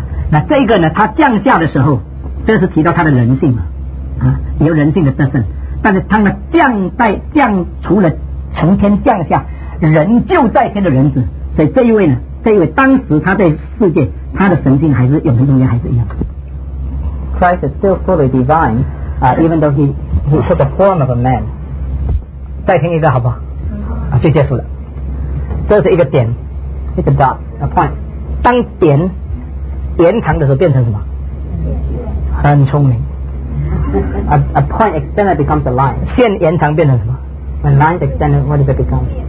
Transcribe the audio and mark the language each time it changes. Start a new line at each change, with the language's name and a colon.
Chinese: 那这个呢他降下的时候这是提到他的人性嘛有人性的特征但是他们降除了从天降下人就在天的人子所以这一位呢这一位当时他在世界他的神性还是永恒永远还是一样
English: Christ is still fully divine, even though he took the form of a man.
Chinese: 再听一个好不好？就结束了。这是一个点
English: ，it's a dot, a point.
Chinese: 当点延长的时候变成什么？很聪明。
English: A point extended becomes a line.
Chinese: 线延长变成什么
English: ？When line extended, what does it become?